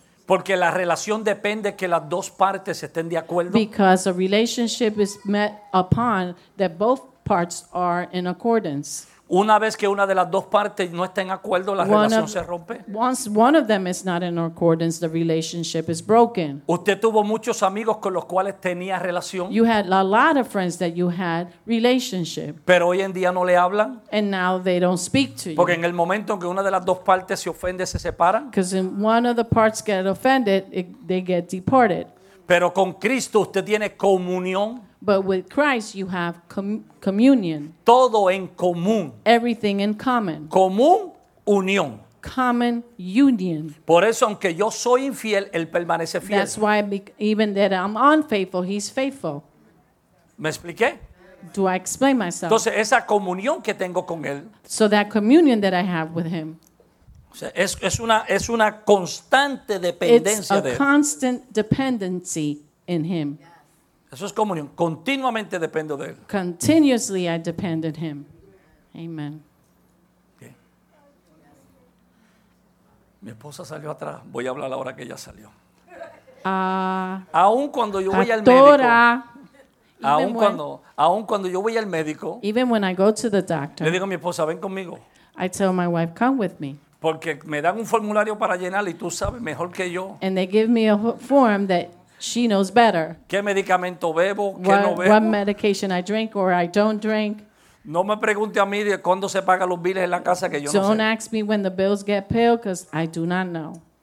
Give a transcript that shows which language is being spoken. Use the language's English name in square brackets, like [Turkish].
[Spanish] Porque la relación depende que las dos partes estén de acuerdo. [English] Because a relationship is met upon that both parts are in accordance. [Spanish] Una vez que una de las dos partes no está en acuerdo, la relación se rompe. [English] Once one of them is not in accordance, the relationship is broken. [Spanish] Usted tuvo muchos amigos con los cuales tenía relación. [English] You had a lot of friends that you had relationship. [Spanish] Pero hoy en día no le hablan. [English] And now they don't speak to you. [Spanish] Porque en el momento en que una de las dos partes se ofende, se separan. [English] Because when one of the parts get offended, they get departed. [Spanish] Pero con Cristo usted tiene comunión. [English] But with Christ you have communion. [Spanish] Todo en común. [English] Everything in common. [Spanish] Común, unión. [English] Common union. [Spanish] Por eso aunque yo soy infiel, él permanece fiel. [English] That's why even that I'm unfaithful, he's faithful. [Spanish] ¿Me expliqué? [English] Do I explain myself? [Spanish] Entonces esa comunión que tengo con él. [English] So that communion that I have with him. [Spanish] Es una constante dependencia de él. [English] It's a constant dependency in him. [Spanish] Eso es comunión. Continuamente dependo de él. [English] Continuously I depend on him. Amen. Okay. [Spanish] Mi esposa salió atrás. Voy a hablar ahora que ella salió. Aún cuando yo voy al médico. Aún cuando yo voy al médico. [English] Even when I go to the doctor. [Spanish] Le digo a mi esposa, ven conmigo. [English] I tell my wife, come with me. [Spanish] Porque me dan un formulario para llenar y tú sabes mejor que yo. [English] And they give me a form that she knows better. [Spanish] ¿Qué medicamento bebo? [English] What, [Spanish] ¿qué no bebo? [English] What medication I drink or I don't drink. [Spanish] No me pregunte a mí de cuándo se pagan los biles en la casa que yo [English] don't [Spanish] no sé. [English] Don't ask me when the bills get paid because I do not know.